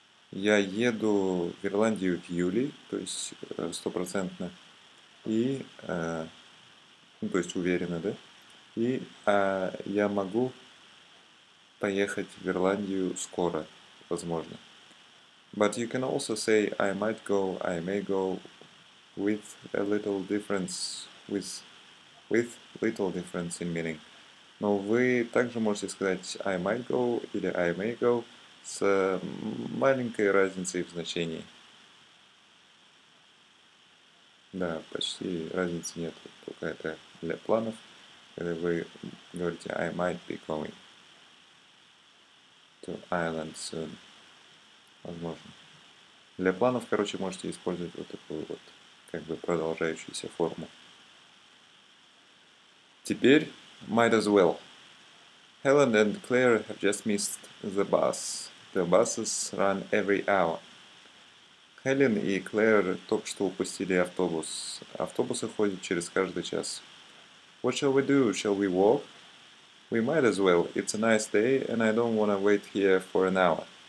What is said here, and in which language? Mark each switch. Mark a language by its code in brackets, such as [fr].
[ru] Я еду в Ирландию в июле, то есть стопроцентно. И, то есть уверенно, да? И я могу поехать в Ирландию скоро, возможно. [en] But you can also say I might go, I may go with a little difference, with little difference in meaning. [ru] Но вы также можете сказать [en] I might go [ru] или [en] I may go [ru] с маленькой разницей в значении. Да, почти разницы нет, только это для планов, когда вы говорите [en] I might be going to Ireland soon. [ru] Возможно. Для планов, короче, можете использовать вот такую вот, как бы, продолжающуюся форму. Теперь might as well. [en] Helen and Claire have just missed the bus. The buses run every hour. [ru] Хелен и Клэр только что упустили автобус. Автобусы ходят через каждый час. [en] What shall we do? Shall we walk? We might as well. It's a nice day, and I don't want to wait here for an hour.